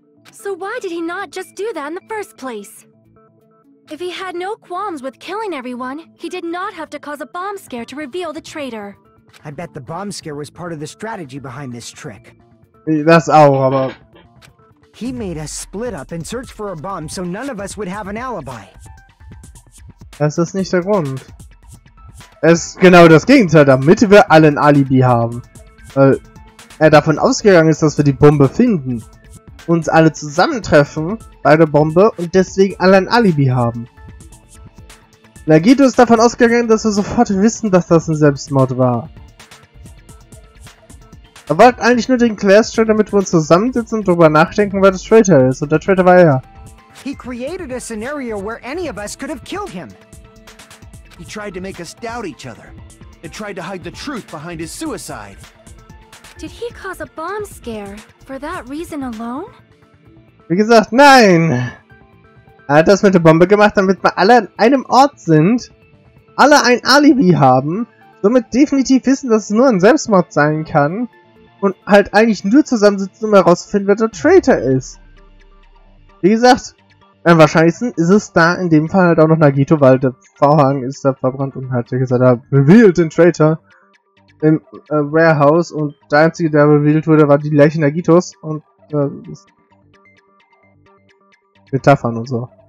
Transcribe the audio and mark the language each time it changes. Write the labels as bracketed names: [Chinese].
[English] So why did he not just do that in the first place? If he had no qualms with killing everyone, he did not have to cause a bomb scare to reveal the traitor. I bet the bomb scare was part of the strategy behind this trick. That's all about. He made us split up and search for a bomb so none of us would have an alibi. [German] Das ist nicht der Grund. Es ist genau das Gegenteil, damit wir alle ein Alibi haben. Weil er davon ausgegangen ist, dass wir die Bombe finden. Uns alle zusammentreffen bei der Bombe und deswegen alle ein Alibi haben. Nagito ist davon ausgegangen, dass wir sofort wissen, dass das ein Selbstmord war. Er wollte eigentlich nur den Clairstrand, damit wir uns zusammensitzen und darüber nachdenken, wer das Traitor ist. Und der Traitor war er. [English] Er created a scenario where any of us could have killed him. He tried to make us doubt each other. He tried to hide the truth behind his suicide. Did he cause a bomb scare for that reason alone? [German] Wie gesagt, nein. Er hat das mit der Bombe gemacht, damit wir alle an einem Ort sind, alle ein Alibi haben, somit definitiv wissen, dass es nur ein Selbstmord sein kann und halt eigentlich nur zusammensitzen, um herauszufinden, wer der Traitor ist. Wie gesagt, am wahrscheinlichsten ist es da in dem Fall halt auch noch Nagito, weil der Vorhang ist da verbrannt und hat ja gesagt, er revealed den Traitor im Warehouse und der einzige, der revealed wurde, war die Leiche Nagitos und Metaphern und so.